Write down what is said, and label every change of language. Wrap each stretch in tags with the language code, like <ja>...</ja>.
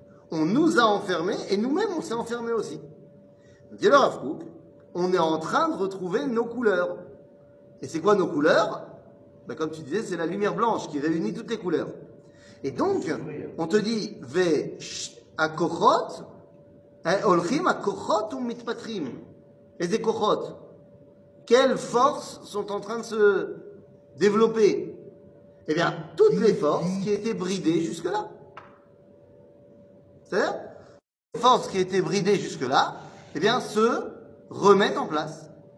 <fr>On nous a enfermés et nous-mêmes, on s'est enfermés aussi. Dit le Rav Kook, on est en train de retrouver nos couleurs. Et c'est quoi nos couleurs? Comme tu disais, c'est la lumière blanche qui réunit toutes les couleurs. Et donc, on te dit,</fr> <he>ve akochot הולכים הכוחות ומתפתחים. איזה כוחות?</he> <fr>Quelles forces sont en train de se développer? Eh bien, toutes les forces qui étaient bridées jusque-là. C'est-à-dire, les forces qui étaient bridées jusque-là, eh bien, se remettent en place.</fr>